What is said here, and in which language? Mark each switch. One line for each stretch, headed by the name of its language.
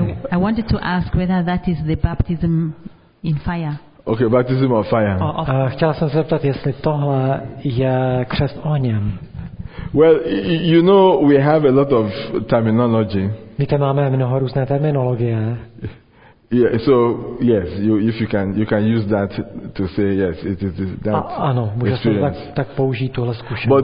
English: I wanted to ask whether that is the baptism in fire. Okay, baptism of fire.
Czech: Chtěla jsem se zeptat, jestli tohle je křest ohněm.
English: Well, you know, we have a lot of terminology.
Czech: Víte, máme mnoho různé terminologie.
English: Yeah, so yes, you can use that to say yes, it is that.
Czech: Ano, může se tak použít tuhle zkušenost.